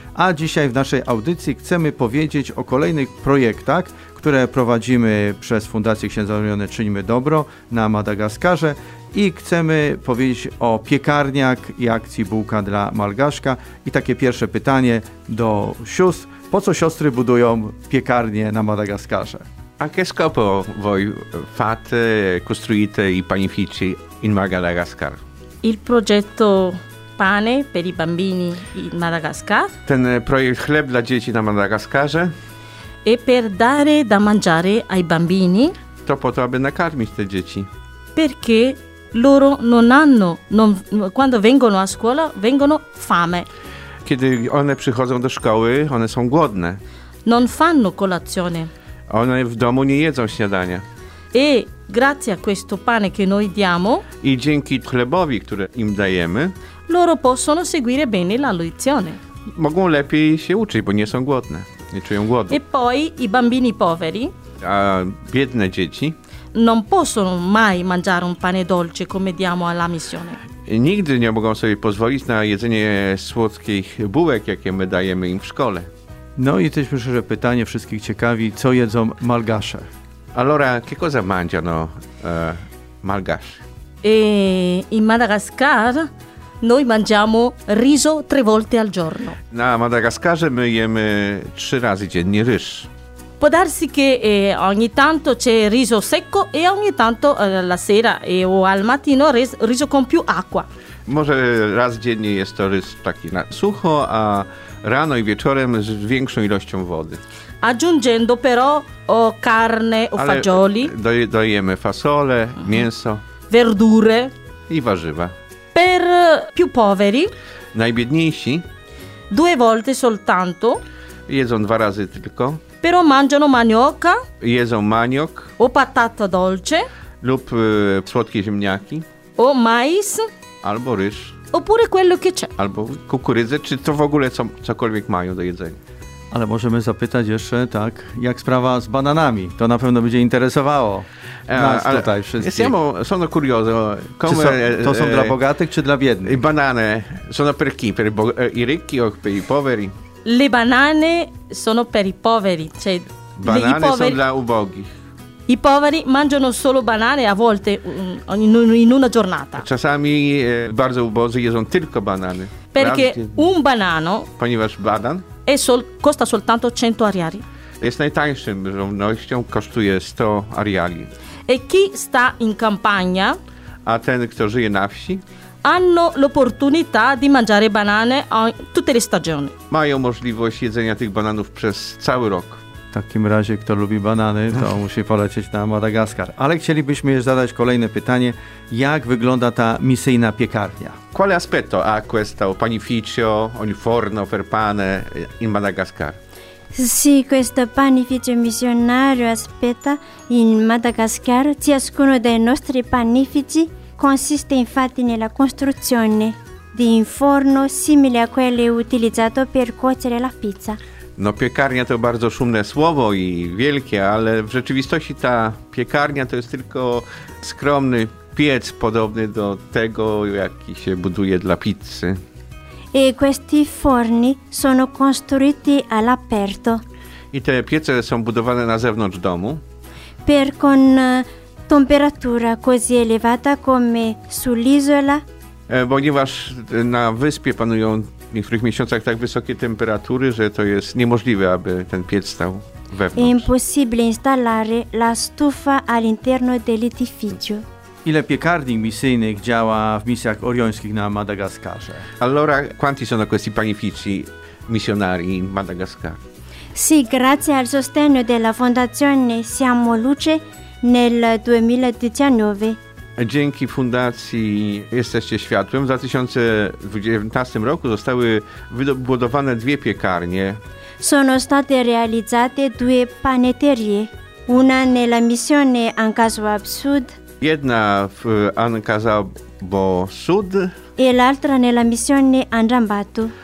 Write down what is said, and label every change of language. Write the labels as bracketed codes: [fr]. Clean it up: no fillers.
[pl] A dzisiaj w naszej audycji chcemy powiedzieć o kolejnych projektach, które prowadzimy przez Fundację Księdza Orione Czyńmy Dobro na Madagaskarze i chcemy powiedzieć o piekarniach i akcji Bułka dla Malgaszka. I takie pierwsze pytanie do sióstr. Po co siostry budują piekarnie na Madagaskarze? [it] A che scopo voi fate, costruite i panifici in Madagascar? Il progetto pane per i bambini in Madagascar. [pl] Ten projekt chleb dla dzieci na Madagaskarze. [it] E per dare da mangiare ai bambini. [pl] To po to, aby nakarmić te dzieci. [it] Perché loro non hanno, non, quando vengono a scuola, vengono fame. [pl] Kiedy one przychodzą do szkoły, one są głodne. [it] Non fanno colazione. [pl] One w domu nie jedzą śniadania. [it] E grazie a questo pane che noi diamo. [pl] I dzięki chlebowi, który im dajemy. [it] Loro possono seguire bene la lezione. [pl] Mogą lepiej się uczyć, bo nie są głodne. Nie czują głodu. [it] E poi i bambini poveri. [pl] A biedne dzieci. [it] Non possono mai mangiare un pane dolce come diamo alla missione. [pl] Nigdy nie mogą sobie pozwolić na jedzenie słodkich bułek, jakie my dajemy im w szkole. No i też myślę, że pytanie wszystkich ciekawi, co jedzą malgasze. [it] Allora, che cosa mangiano malgasze? E in Madagascar noi mangiamo riso tre volte al giorno. [pl] Na Madagaskarze my jemy trzy razy dziennie ryż. [it] Può darsi che ogni tanto c'è riso secco e ogni tanto la sera e o al mattino riso con più acqua. [pl] Może raz dziennie jest to ryż taki na sucho, a rano i wieczorem z większą ilością wody. [it] Aggiungendo però o carne o fagioli. [pl] Dajemy fasole, mięso. [it] Verdure. [pl] I warzywa. [it] Per più poveri. [pl] Najbiedniejsi. [it] Due volte soltanto. [pl] Jedzą dwa razy tylko. [it] Però mangiano manioca. [pl] Jedzą maniok. [it] O patata dolce. [pl] Lub słodkie ziemniaki. [it] O mais. [pl] Albo ryż. [it] Oppure quello che c'è. [pl] Albo kukurydzę, czy to w ogóle cokolwiek mają do jedzenia. Ale możemy zapytać jeszcze, tak, jak sprawa z bananami? To na pewno będzie interesowało nas tutaj wszystkich. [it] Siamo, sono curioso. [pl] Come, to są dla bogatych czy dla biednych? [it] Banane sono per chi? Per i ricchi o per i poveri? Le banane sono per i poveri. Cioè banane sono [pl] dla ubogich. [it] I poveri mangiano solo banane a volte in una giornata. [pl] Czasami bardzo ubodzy jedzą tylko banany. [it] Perché un banano [pl] ponieważ banan [it] costa soltanto 100 ariary. [pl] jest najtańszym żywnością, kosztuje 100 ariali. [it] E chi sta in campagna? [pl] A ten, kto żyje na wsi? [it] Hanno l'opportunità di mangiare banane tutte le stagioni. [pl] Mają możliwość jedzenia tych bananów przez cały rok. W takim razie, kto lubi banany, to musi polecieć na Madagaskar. Ale chcielibyśmy jeszcze zadać kolejne pytanie. Jak wygląda ta misyjna piekarnia? [it] Quale aspetto ha questo panificio, ogni forno per pane in Madagascar? Sì, questo panificio missionario aspetta in Madagascar. Ciascuno dei nostri panifici consiste infatti nella costruzione di un forno simile a quello utilizzato per cuocere la pizza. [pl] No, piekarnia to bardzo szumne słowo i wielkie, ale w rzeczywistości ta piekarnia to jest tylko skromny piec podobny do tego, jaki się buduje dla pizzy. [it] E questi forni sono costruiti all'aperto. [pl] I te piece są budowane na zewnątrz domu. [it] Per con temperatura così elevata come sull'isola. [pl] Ponieważ na wyspie panują w niektórych miesiącach tak wysokie temperatury, że to jest niemożliwe, aby ten piec stał wewnątrz. [it] È impossibile installare la stufa all'interno dell'edificio. [pl] Ile piekarni misyjnych działa w misjach oriońskich na Madagaskarze? [it] Allora, quanti sono questi panifici missionari in Madagascar? Sì, grazie al sostegno della Fondazione Siamo Luce nel 2019. [pl] Dzięki Fundacji Jesteście Światłem w 2019 roku zostały wybudowane dwie piekarnie. [it] Sono state realizzate due panetterie, una nella missione Ancazuab Sud. [pl] Jedna w Ancazuabo Sud. [it] E l'altra nella missione Andrambatu.